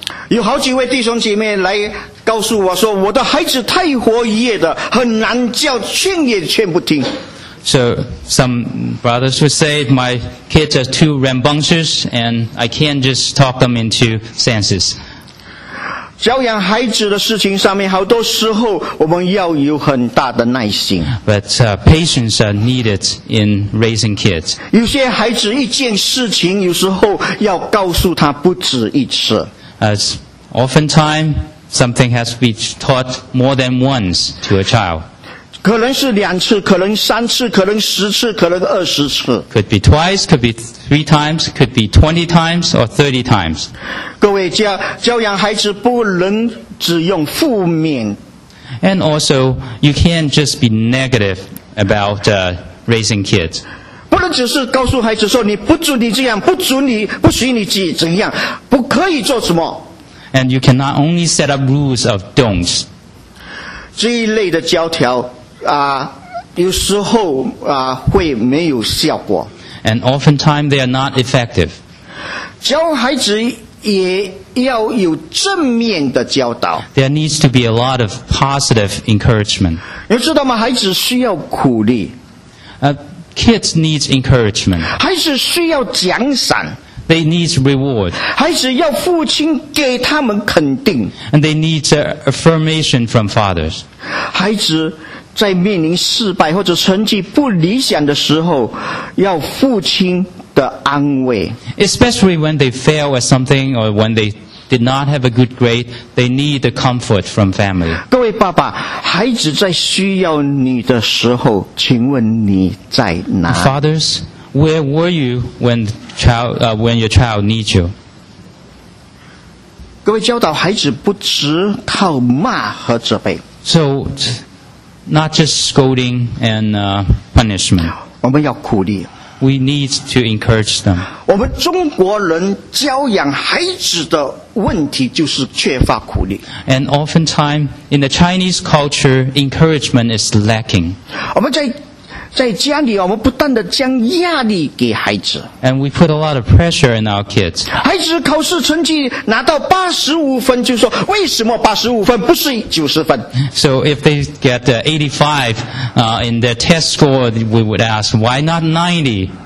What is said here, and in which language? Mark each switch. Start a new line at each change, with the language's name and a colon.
Chinese: 有好几位弟兄姐妹来告诉我说，我的孩子太活跃的，很难叫，劝也劝不听。
English: So some brothers would say my kids are too rambunctious and I can't just talk them into senses.
Chinese: 教养孩子的事情上面，好多时候我们要有很大的耐心。
English: But patience are needed in raising kids.
Chinese: 有些孩子一件事情，有时候要告诉他不止一次。
English: As oftentimes, something has to be taught more than once to a child.
Chinese: 可能是两次，可能三次，可能十次，可能二十次。
English: Could be twice, could be three times, could be 20 times or 30 times.
Chinese: 各位教养孩子不能只用负面。
English: And also, you can't just be negative about raising kids.
Chinese: 不能只是告诉孩子说你不准你这样，不准你，不许你怎样，不可以做什么。
English: And you cannot only set up rules of don'ts.
Chinese: 这一类的教条有时候会没有效果。
English: And oftentimes they are not effective.
Chinese: 教孩子也要有正面的教导。
English: There needs to be a lot of positive encouragement.
Chinese: 你知道吗？孩子需要鼓励。
English: Kids need encouragement.
Chinese: 孩子需要奖赏。
English: They need reward.
Chinese: 孩子要父亲给他们肯定。
English: And they need affirmation from fathers.
Chinese: 孩子在面临失败或者成绩不理想的时候，要父亲的安慰。
English: Especially when they fail at something or when they did not have a good grade, they need the comfort from family.
Chinese: 各位爸爸，孩子在需要你的时候，请问你在哪？
English: Fathers, where were you when your child needs you?
Chinese: 各位教导孩子不只靠骂和责备。
English: So not just scolding and punishment. We need to encourage them. We Chinese culture, and oftentimes in the Chinese culture, encouragement is lacking. And we put a lot of pressure in our kids.
Chinese: 孩子考试成绩拿到 85分 就说, 为什么 85分, 不是 90分?
English: So if they get 85 in their test score, we would ask, why not 90?